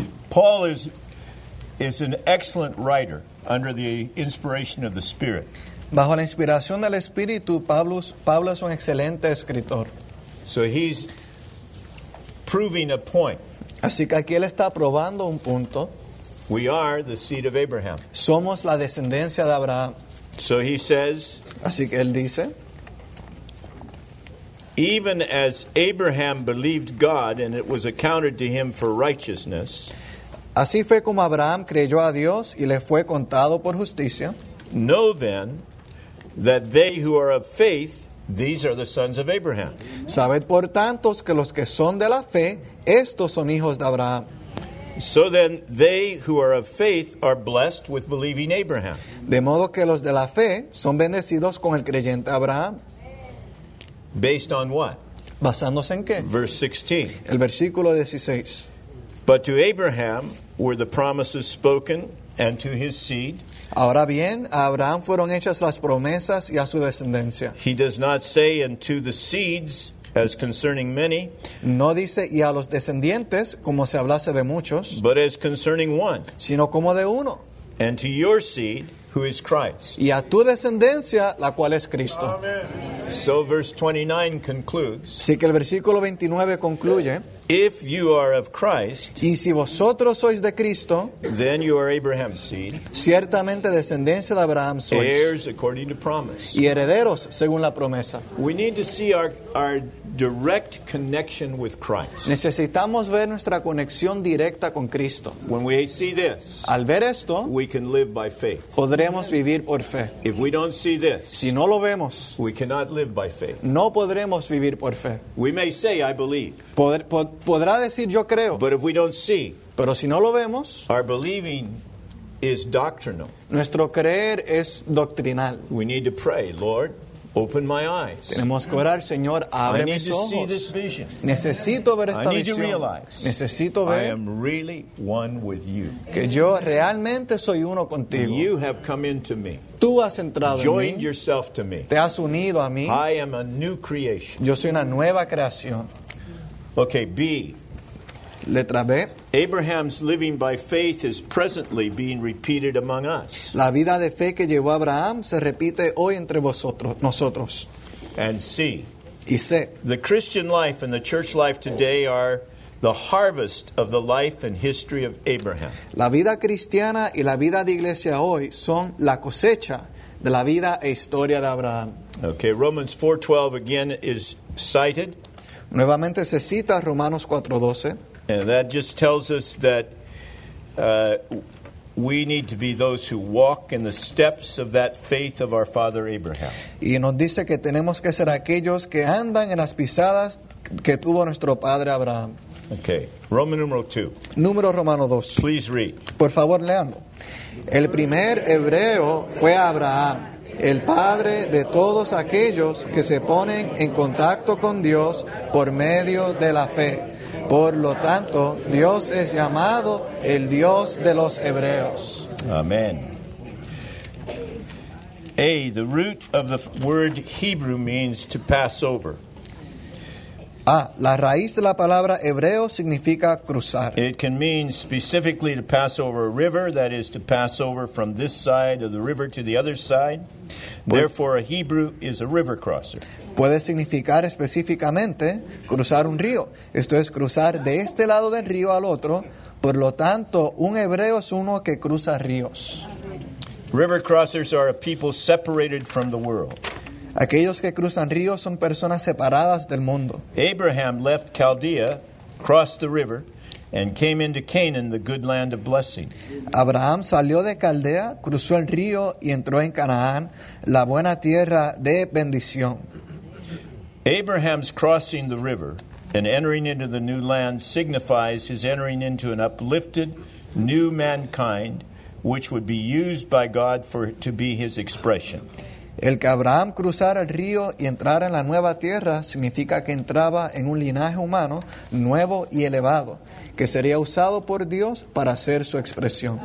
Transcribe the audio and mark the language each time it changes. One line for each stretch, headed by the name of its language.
English: Paul is an excellent writer under the inspiration of the Spirit.
Spanish: Bajo la inspiración del Espíritu, Pablo es un excelente escritor.
English: So he's proving a point.
Spanish: Así que aquí él está probando un punto.
English: We are the seed of Abraham.
Spanish: Somos la descendencia de Abraham.
English: So he says.
Spanish: Así que él dice.
English: Even as Abraham believed God and it was accounted to him for righteousness.
Spanish: Así fue como Abraham creyó a Dios y le fue contado por justicia.
English: Know then that they who are of faith, these are the sons of Abraham.
Spanish: Sabed por tanto que los que son de la fe, estos son hijos de Abraham.
English: So then, they who are of faith are blessed with believing Abraham.
Spanish: De modo que los de la fe son bendecidos con el creyente Abraham.
English: Based on what?
Spanish: Basándose en qué?
English: Verse 16.
Spanish: El versículo 16.
English: But to Abraham were the promises spoken, and to his seed.
Spanish: Ahora bien, a Abraham fueron hechas las promesas y a su descendencia.
English: He does not say unto the seeds, as concerning many,
Spanish: no dice y a los descendientes como si hablase de muchos,
English: but as concerning one,
Spanish: sino como de uno,
English: and to your seed, who is Christ,
Spanish: y a tu descendencia, la cual es Cristo.
English: Amen. So verse 29 concludes.
Spanish: Así que el versículo 29 concluye.
English: If you are of Christ,
Spanish: y si vosotros sois de Cristo,
English: then you are Abraham's seed,
Spanish: ciertamente descendencia de Abraham sois,
English: heirs according to promise,
Spanish: y herederos según la promesa.
English: We need to see our direct connection with Christ.
Spanish: Necesitamos ver nuestra conexión directa con Cristo.
English: When we see this,
Spanish: al ver esto,
English: we can live by faith.
Spanish: Podremos vivir por fe.
English: If we don't see this,
Spanish: si no lo vemos,
English: we cannot live by faith.
Spanish: No podremos vivir por fe.
English: We may say, I believe.
Spanish: Podrá decir yo creo.
English: But if we don't see,
Spanish: pero si no lo vemos,
English: our believing is doctrinal.
Spanish: Nuestro creer es doctrinal.
English: We need to pray, Lord, open my eyes.
Spanish: Tenemos que orar, Señor, abre mis ojos.
English: I need to see this vision.
Spanish: Necesito ver esta visión.
English: I need to realize.
Spanish: Necesito ver.
English: I am really one with you.
Spanish: Que yo realmente soy uno contigo.
English: You have come into me.
Spanish: Tú has entrado en mí.
English: Joined yourself to me.
Spanish: Te has unido a mí.
English: I am a new creation.
Spanish: Yo soy una nueva creación.
English: Okay, B.
Spanish: Letra B.
English: Abraham's living by faith is presently being repeated among us.
Spanish: La vida de fe que llevó Abraham se repite hoy entre vosotros, nosotros.
English: And C.
Spanish: Y C.
English: The Christian life and the church life today are the harvest of the life and history of Abraham.
Spanish: La vida cristiana y la vida de iglesia hoy son la cosecha de la vida e historia de Abraham.
English: Okay, Romans 4:12 again is cited.
Spanish: Nuevamente se cita Romanos 4:12.
English: And that just tells us that we need to be those who walk in the steps of that faith of our father Abraham.
Spanish: Y nos dice que tenemos que ser aquellos que andan en las pisadas que tuvo nuestro padre Abraham.
English: Okay. Roman numeral 2.
Spanish: Número romano 2.
English: Please read.
Spanish: Por favor, leanlo. El primer hebreo fue Abraham, el padre de todos aquellos que se ponen en contacto con Dios por medio de la fe. Por lo tanto, Dios es llamado el Dios de los hebreos. Amén.
English: A, the root of the word Hebrew means to pass over.
Spanish: A, la raíz de la palabra hebreo significa cruzar.
English: It can mean specifically to pass over a river, that is to pass over from this side of the river to the other side. Therefore, a Hebrew is a river crosser.
Spanish: Puede significar específicamente cruzar un río. Esto es cruzar de este lado del río al otro. Por lo tanto, un hebreo es uno que cruza ríos.
English: River crossers are a people separated from the world.
Spanish: Aquellos que cruzan ríos son personas separadas del mundo.
English: Abraham left Chaldea, crossed the river, and came into Canaan, the good land of blessing.
Spanish: Abraham salió de Caldea, cruzó el río y entró en Canaán, la buena tierra de bendición.
English: Abraham's crossing the river and entering into the new land signifies his entering into an uplifted new mankind, which would be used by God for to be his expression.
Spanish: El que Abraham cruzara el río y entrara en la nueva tierra significa que entraba en un linaje humano nuevo y elevado, que sería usado por Dios para hacer su expresión.